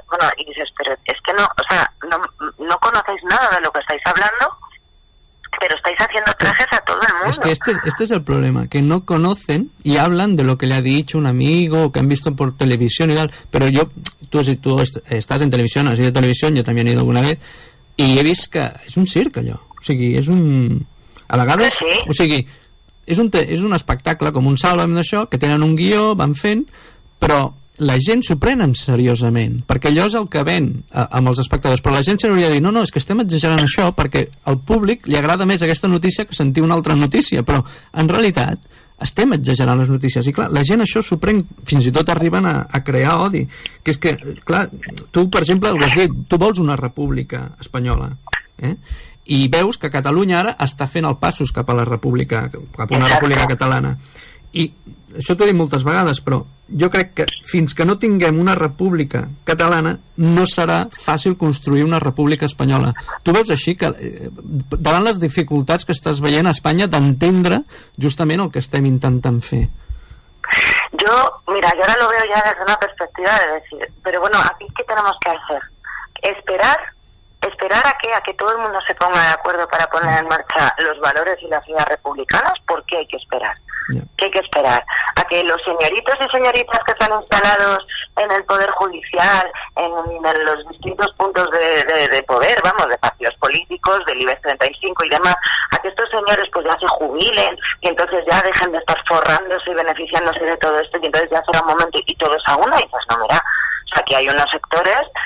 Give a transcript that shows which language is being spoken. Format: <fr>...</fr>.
<es>Bueno, y dices, pero es que no, o sea, no conocéis nada de lo que estáis hablando, pero estáis haciendo trajes a todo el mundo. Es que este es el problema, que no conocen y hablan de lo que le ha dicho un amigo o que han visto por televisión y tal, pero yo, tú estás en televisión, has ido a televisión, yo también he ido alguna vez, y he visto que es un circo allò.</es> <ca>O sigui, és un... A vegades, sí. O sigui, és un espectacle com un Sálvame d'això, que tenen un guió, van fent, però la gent s'ho prenen seriosament, perquè allò és el que ven amb els espectadors, però la gent se n'hauria de dir, no, és que estem exagerant això perquè al públic li agrada més aquesta notícia que sentir una altra notícia, però en realitat estem exagerant les notícies, i clar, la gent això s'ho pren, fins i tot arriben a crear odi, que és que, clar, tu, per exemple, ho has dit, tu vols una república espanyola, i veus que Catalunya ara està fent els passos cap a la república, cap a una república catalana, i això t'ho he dit moltes vegades, però jo crec que fins que no tinguem una república catalana no serà fàcil construir una república espanyola. Tu veus així, que davant les dificultats que estàs veient a Espanya d'entendre justament el que estem intentant fer? Jo, mira, jo ara</ca> <es>lo veo ya desde una perspectiva de decir, pero bueno, aquí ¿qué tenemos que hacer? ¿Esperar a qué? ¿A que todo el mundo se ponga de acuerdo para poner en marcha los valores y las ideas republicanas? ¿Por qué hay que esperar? ¿Qué hay que esperar? ¿A que los señoritos y señoritas que están instalados en el Poder Judicial, en los distintos puntos de poder, vamos, de partidos políticos, del IBEX 35 y demás, a que estos señores pues ya se jubilen y entonces ya dejen de estar forrándose y beneficiándose de todo esto y entonces ya será un momento y todos a una? Y dices, no, mira, o sea, aquí hay unos sectores</es>